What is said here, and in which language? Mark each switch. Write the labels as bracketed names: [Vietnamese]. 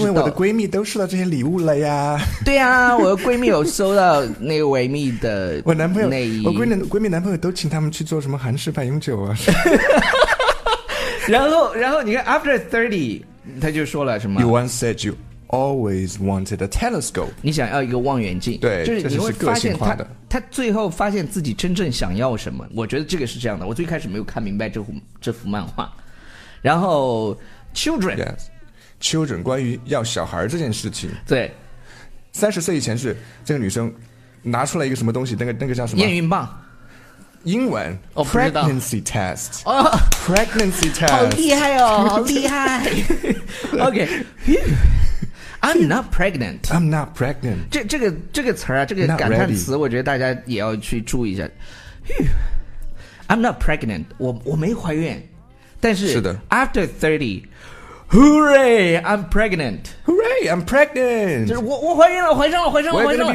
[Chinese] 因为我的闺蜜都收到这些礼物了呀对啊我的闺蜜有收到那个维密的我男朋友我闺蜜男朋友都请他们去做什么韩式白永久啊然后你看 [English] after 30 [Chinese] 他就说了什么 [English] you once said you always wanted a telescope [Chinese] 你想要一个望远镜对就是你会发现是个性化的他最后发现自己真正想要什么我觉得这个是这样的我最开始没有看明白这幅漫画然后 children yes, children 关于要小孩这件事情对三十岁以前是这个女生拿出来一个什么东西那个叫什么验孕棒英文、哦、 [English] pregnancy test、 [Chinese] 哦、 [English] pregnancy test [Chinese] 好厉害哦好厉害 [English] OK I'm not pregnant. I'm not pregnant. [Chinese] 这个词啊，这个感叹词，我觉得大家也要去注意一下。 [English] I'm not pregnant. [Chinese] 我没怀孕，但是是的。 [English] After 30, hooray! I'm pregnant. Hooray! I'm pregnant. [Chinese] 就是我怀孕了，怀上了，怀上了，怀上了。